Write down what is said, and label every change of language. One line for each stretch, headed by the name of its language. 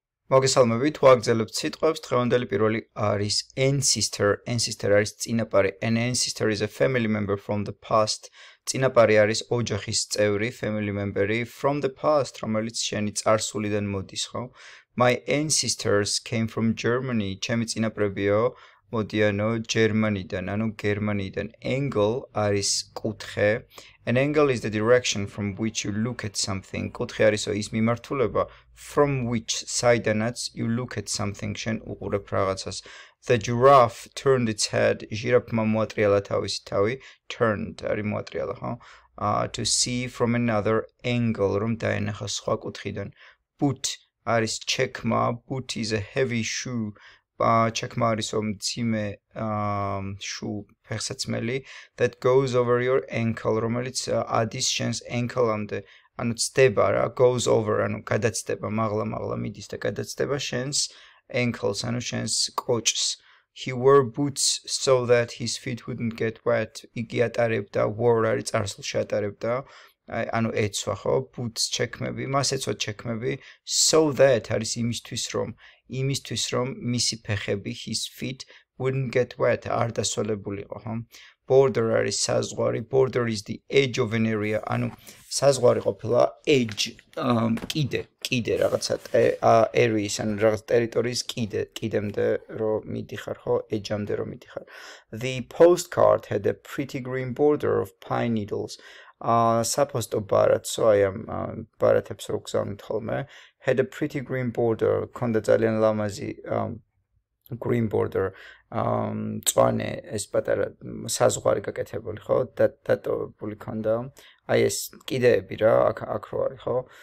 Georgian: მოგესალმებით, ვაგრძელებთ სიტყვებს. დღევანდელი პირველი არის ancestor. Ancestor არის წინაპარი.
English: An ancestor is a family member from the past.
Georgian: წინაპარი არის ოჯახის წევრი, family member-ი
English: from the past,
Georgian: რომელიც შენი წარსულიდან მოდის, ხო?
English: My ancestors came from Germany.
Georgian: ჩემი წინაპრებიო მოდიანო გერმანიდან, ანუ გერმანიდან. Angle არის კუთხე.
English: An angle is the direction from which you look at something.
Georgian: კუთხე არის ის მიმართულება,
English: from which side-დანაც you look at something,
Georgian: შენ უყურებ რაღაცას.
English: The giraffe turned its head.
Georgian: ჟირაფმა მოატრიალა თავისი თავი. Turned არის მოატრიალა, ხო?
English: To see from another angle,
Georgian: რომ დაენახა სხვა კუთხიდან.
English: Boot
Georgian: არის ჩექმა.
English: Boot is a heavy shoe.
Georgian: ჩექმა არის მძიმე shoe, ფეხსაცმელი.
English: That goes over your ankle,
Georgian: რომელიც ადის შენს ankle-ამდე. ანუ ცდება რა, goes over, ანუ გადაცდება, მაღლა მაღლა მიდის და გადაცდება შენს ankles, ანუ შენს კოჭს.
English: He wore boots so that his feet wouldn't get wet.
Georgian: იგი ატარებდა, wore არის წარსულში ატარებდა, ანუ ეცვა, ხო? Boots, ჩექმები, მას ეცვა ჩექმები. So that არის იმისთვის, რომ მისი ფეხები,
English: his feet wouldn't get wet,
Georgian: არ დასოლებულიყო, ხო?
English: Border
Georgian: არის საზღვარი.
English: Border is the edge of an area.
Georgian: ანუ საზღვარი ყოფილა edge, კიდე რაღაცა, areas, ანუ რაღაც ტერიტორიის კიდემდე რომ მიდიხარ, ხო? Edge-ამდე რომ მიდიხარ.
English: The postcard had a pretty green border of pine needles.
Georgian: Საპოსტო ბარათსო, აი ამ ბარათებს რო გზავნით ხოლმე,
English: had a pretty green border,
Georgian: ქონდა ძალიან ლამაზი green border, მწვანე, ეს პატარა საზღვარი გაკეთებული, ხო? დატოვებული ქონდა. აი ეს კიდეები რა, აქ რო არის, ხო?